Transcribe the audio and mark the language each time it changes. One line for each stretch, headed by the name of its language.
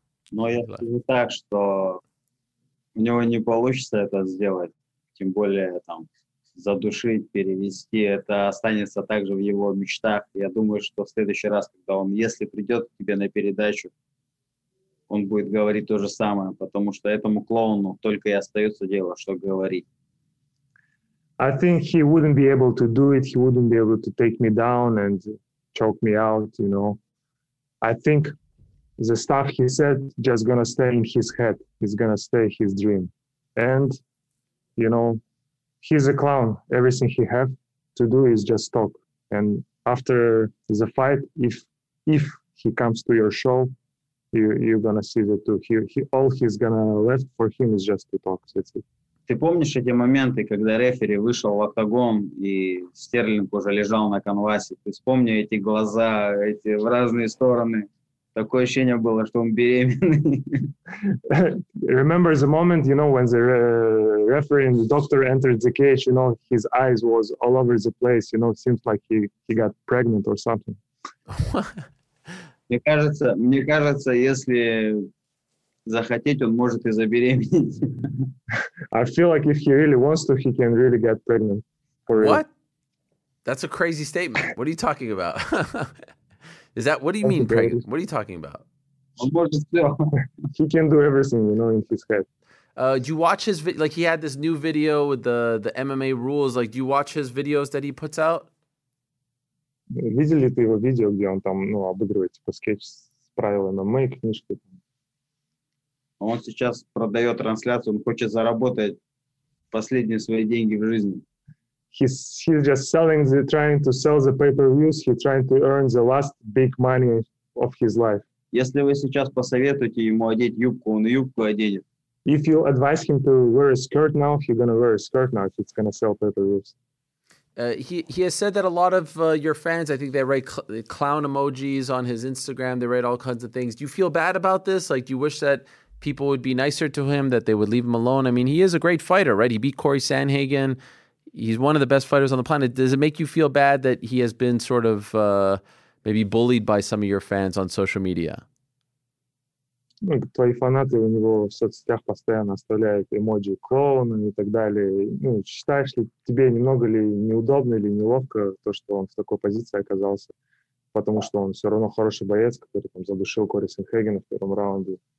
Russian: Ну, я скажу так, что у него не получится это сделать, тем более там задушить, перевести, это останется также в его мечтах. Я думаю, что в следующий раз, когда он, если придет к тебе на передачу, он будет говорить то же самое, потому что этому клоуну только и остается дело, что говорить.
English: I think he wouldn't be able to do it, he wouldn't be able to take me down and choke me out, you know. I think the stuff he said just gonna stay in his head. It's gonna stay his dream. And, you know, he's a clown. Everything he have to do is just talk. And after the fight, if he comes to your show, you're gonna see that too. He all he's gonna left for him is just to talk. That's it.
Russian: Ты помнишь эти моменты, когда рефери вышел в октагон и Стерлинг уже лежал на канвасе? Ты вспомни эти глаза, эти в разные стороны. Такое ощущение было, что он беременный.
English: Remember the moment, you know, when the referee, the doctor entered the cage, you know, his eyes was all over the place, you know, seems like he got pregnant or something.
Russian: Мне кажется, если захотеть, он может и забеременеть.
English: I feel like if he really wants to, he can really get pregnant. For what? Real. That's a crazy statement. What are you talking about? Is that, what do you mean pregnant? What are you talking about? He can do everything, you know, in his head. Do you watch his, like he had this new video with the MMA rules. Like, do you watch his videos that he puts out?
Russian: Видели ты его видео, где он там, ну, обыгрывает, типа, скетч с правилами MMA, книжки. Он сейчас продает трансляцию, он хочет заработать последние свои деньги в жизни.
English: He's just selling the, trying to sell the pay-per-views. He's trying to earn the last big money of his life.
Russian: Если вы сейчас посоветуете ему одеть юбку, он юбку оденет.
English: If you advise him to wear a skirt now, he's going to wear a skirt now if he's going to sell pay-per-views. He has said that a lot of your fans, I think they write clown emojis on his Instagram. They write all kinds of things. Do you feel bad about this? Like, do you wish that people would be nicer to him, that they would leave him alone? I mean, he is a great fighter, right? He beat Corey Sanhagen. He's one of the best fighters on the planet. Does it make you feel bad that he has been sort of maybe bullied by some of your fans on social media?
Russian: Твои фанаты у него в соцсетях постоянно оставляют эмоджи клоуна и так далее. Ну, считаешь ли тебе немного ли неудобно или неловко то, что он в такой позиции оказался, потому что он все равно хороший боец, который там задушил Кори Сенхегена в первом раунде.